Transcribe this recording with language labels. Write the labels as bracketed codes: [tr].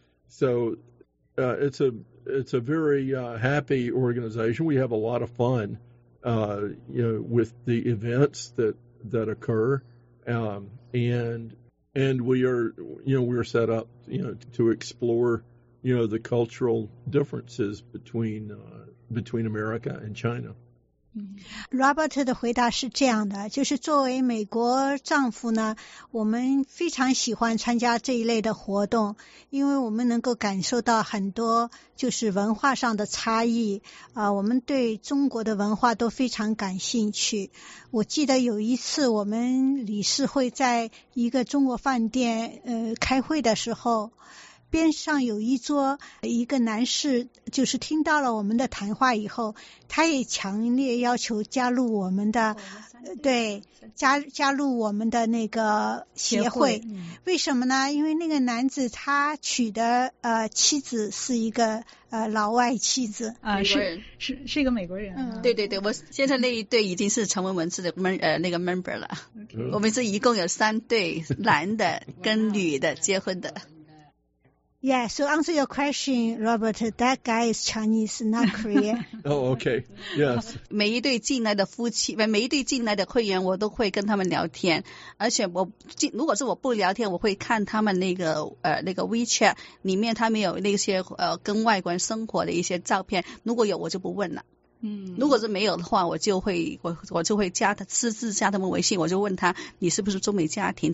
[en] So it's a very happy organization. We have a lot of fun with the events that occur. And we are, we're set up, to explore, the cultural differences between America and China. [zh] Robert 的回答是这样的，就是作为美国丈夫呢，我们非常喜欢参加这一类的活动，因为我们能够感受到很多就是文化上的差异啊、我们对中国的文化都非常感兴趣。我记得有一次我们理事会在一个中国饭店开会的时候，边上有一桌一个男士，就是听到了我们的谈话以后，他也强烈要求加入我们的对加入我们的那个协会。为什么呢？因为那个男子他娶的妻子是一个老外妻子啊，是一个美国人、嗯、对对对，我现在那一对已经是成为我们是那个 member 了、 [en] okay. [zh] 我们是一共有三对男的跟女的结婚的。 [en] Yeah, so answer your question, Robert, that guy is Chinese, not Korean. Oh, okay. Yes. [zh] 每一对进来的夫妻，每一对进来的会员，我都会跟他们聊天。而且我，如果是我不聊天，我会看他们那个 WeChat 里面他们有那些跟外国人生活的一些照片。如果有，我就不问了。如果是没有的话，我就会加他，私自加他们微信，我就问他，你是不是中美家庭？